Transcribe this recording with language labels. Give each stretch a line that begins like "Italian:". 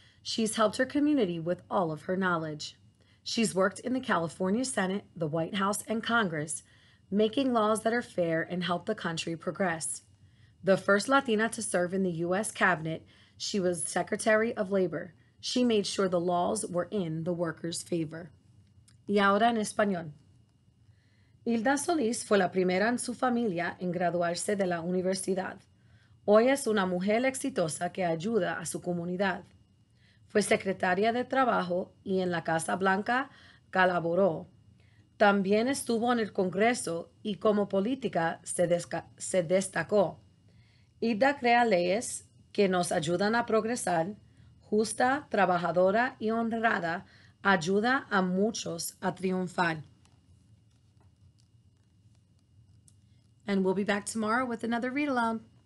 English: She's helped her community with all of her knowledge. She's worked in the California Senate, the White House, and Congress, making laws that are fair and help the country progress. The first Latina to serve in the U.S. cabinet, she was Secretary of Labor. She made sure the laws were in the workers' favor.
Spanish: Y ahora en español. Hilda Solis fue la primera en su familia en graduarse de la universidad. Hoy es una mujer exitosa que ayuda a su comunidad. Fue secretaria de trabajo y en la Casa Blanca colaboró. También estuvo en el Congreso y como política se destacó. Hilda crea leyes que nos ayudan a progresar, justa, trabajadora y honrada, ayuda a muchos a triunfar.
English: And we'll be back tomorrow with another read-along.